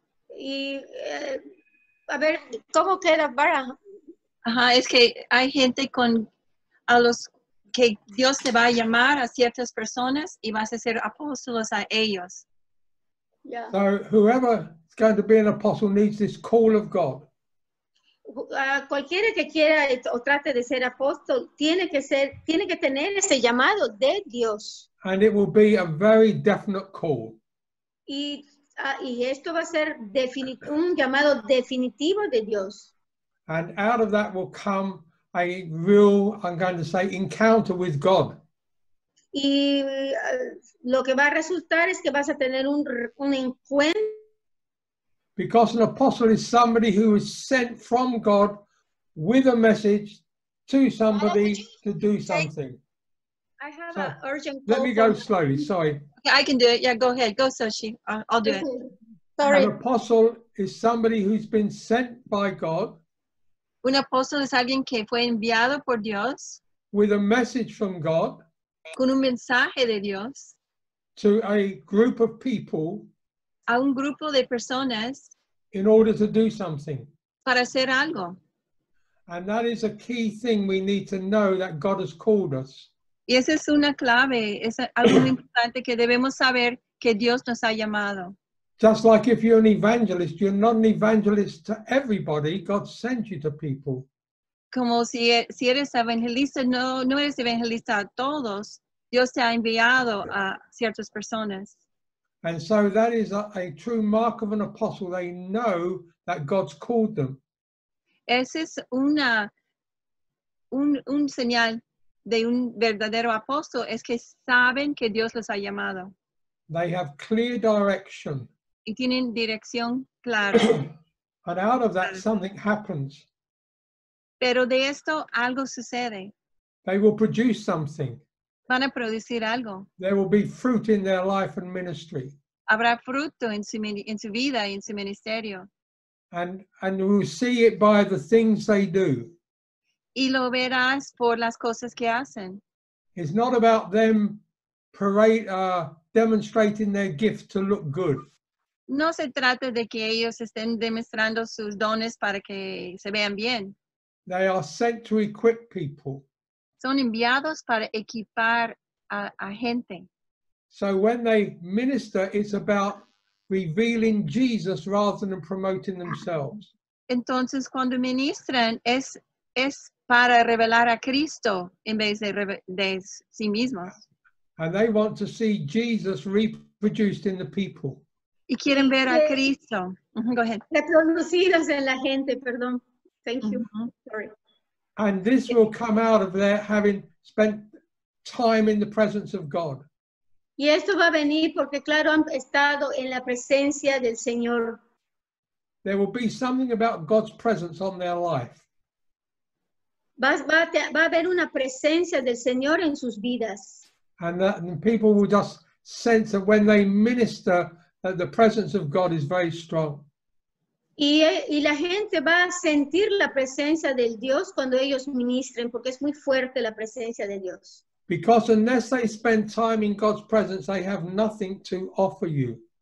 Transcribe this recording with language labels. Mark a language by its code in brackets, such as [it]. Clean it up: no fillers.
[es] Y, a ver, ¿cómo queda para? Es que hay gente con a los que Dios te va a llamar a ciertas personas y vas a ser apóstolos a ellos. [en] Yeah. So whoever is going to be an apostle needs this call of God. [es] Cualquiera que quiera o trate de ser apóstol tiene que tener ese llamado de Dios. [en] And it will be a very definite call. [es] Y esto va a ser un llamado definitivo de Dios. [en] And out of that will come a real, I'm going to say, encounter with God. [es] Y lo que va a resultar es que vas a tener un encuentro. [en] Because an apostle is somebody who is sent from God with a message to somebody to do something. I have an urgent call. Let me go slowly, sorry. Okay, I can do it. Yeah, go ahead. Go, Soshi. I'll do it. Sorry. An apostle is somebody who's been sent by God. [es] Un apóstol es alguien que fue enviado por Dios. [en] With a message from God. [es] Con un mensaje de Dios. [en] To a group of people. [es] A un grupo de personas. [en] In order to do something. [es] Para hacer algo. [en] And that is a key thing we need to know that God has called us. [es] Y esa es una clave. Es algo importante que debemos saber que Dios nos ha llamado. [en] Just like if you're an evangelist, you're not an evangelist to everybody. God sent you to people. [es] Como si eres evangelista, no eres evangelista a todos. Dios te ha enviado a ciertas personas. [en] And so that is a true mark of an apostle. They know that God's called them. [es] Ese es un señal de un verdadero apóstol. Es que saben que Dios los ha llamado. [en] They have clear direction. [es] Y tienen dirección clara. [en] And out of that, something happens. [es] Pero de esto, algo sucede. [en] They will produce something. [es] Van a producir algo. [en] There will be fruit in their life and ministry. [es] Habrá fruto en su vida y en su ministerio. [en] And we'll see it by the things they do. [es] Y lo verás por las cosas que hacen. [en] It's not about them demonstrating their gift to look good. [es] No se trata de que ellos estén demostrando sus dones para que se vean bien. [en] They are sent to equip people. [es] Son enviados para equipar a gente. [en] So when they minister, it's about revealing Jesus rather than promoting themselves. [es] Entonces, cuando ministran, es para revelar a Cristo en vez de sí mismos. [en] And they want to see Jesus reproduced in the people. [es] Y quieren ver a Cristo. [en] Go ahead. [es] Reproducidos en la gente, perdón. [en] Thank you. Sorry. And this will come out of their having spent time in the presence of God. [es] Y esto va a venir porque, claro, han estado en la presencia del Señor. [en] There will be something about God's presence on their life. [es] Va a haber una presencia del Señor en sus vidas. [en] And people will just sense that when they minister, that the presence of God is very strong. [es] Y la gente va a sentir la presencia del Dios cuando ellos ministren, porque es muy fuerte la presencia de Dios. [en] Because unless they spend time in God's presence, they have nothing to offer you.